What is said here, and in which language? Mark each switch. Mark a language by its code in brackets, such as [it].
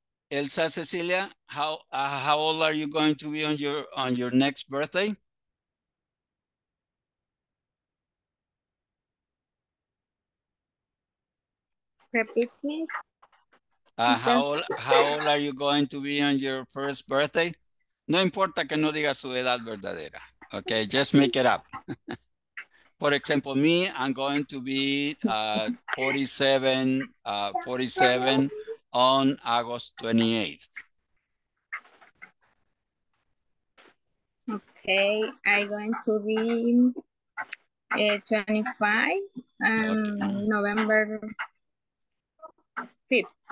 [en] Elsa Cecilia, how old are you going to be on your next birthday? Repeat, please. How old are you going to be on your first birthday? [es] No importa que no diga su edad verdadera. [en] Okay, just make it up. For example, me, I'm going to be 47 on August 28th. Okay, I'm going to be 25 on November 5th.